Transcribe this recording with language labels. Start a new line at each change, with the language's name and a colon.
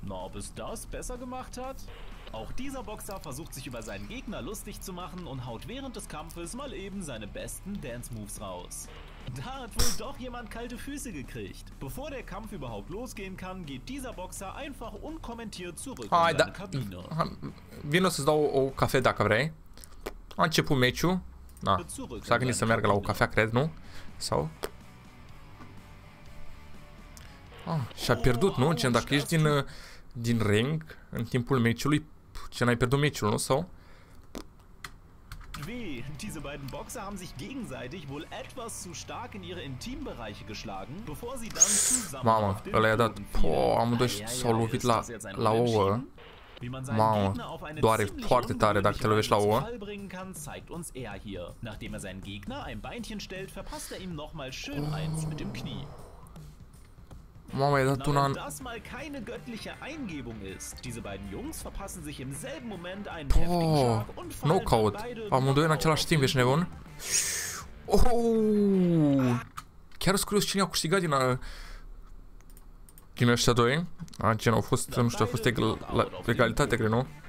German: Na, ob es das besser gemacht hat? Auch dieser Boxer versucht sich über seinen Gegner lustig zu machen und haut während des Kampfes mal eben seine besten Dance-Moves raus. Da hat wohl doch jemand kalte Füße gekriegt. Bevor der Kampf überhaupt losgehen kann, geht dieser Boxer einfach unkommentiert zurück in seine Kabine.
Romanian: Vin o să-ți dau o cafea dacă vrei. A început meciul. Na, s-a gândit să meargă la o cafea, cred, nu? Sau? Ah, și-a pierdut, nu? Gen, dacă ești din ring, în timpul meciului, ce n-ai pierdut meciul, nu? Sau?
German: Weh, diese beiden Boxer haben sich gegenseitig wohl etwas zu stark in ihre Intimbereiche geschlagen, bevor sie dann zusammen...
Romanian: Mama, ăla i-a dat... Boah, amândoi s-au lovit la ouă.
German: Wie man seinen Mama, Gegner auf eine ziemlich
Romanian: tare, dacă te la
German: Fall bringen kann, zeigt uns er hier. Nachdem er seinen Gegner ein Beinchen stellt, verpasst er ihm nochmal schön eins mit dem Knie. Mama, ihr Na, wenn das mal keine göttliche Eingebung ist. Diese beiden Jungs verpassen sich im selben Moment einen heftigen Schlag und fallen beide Knockout.
Romanian: Amândoi în același timp, oh! Chiar scurios cine a câștigat din... Din ăștia doi, a, gen, au fost, nu știu, au fost egalitate, cred, nu?